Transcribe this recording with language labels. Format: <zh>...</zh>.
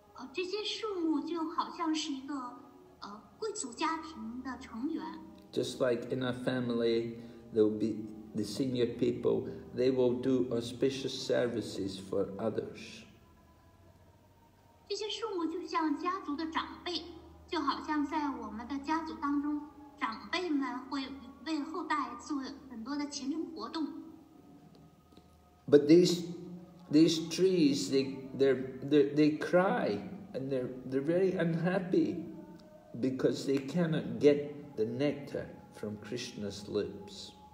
<zh>这些树木就好像是一个贵族家庭的成员。</zh> <en>Just like in a family, there will be the senior people. They will do auspicious services for others.</en> <zh>这些树木就像家族的长辈，就好像在我们的家族当中，长辈们会为后代做很多的虔诚活动。</zh> <en>But these trees, they cry. And they're very unhappy because they cannot get the nectar from Krishna's lips.</en>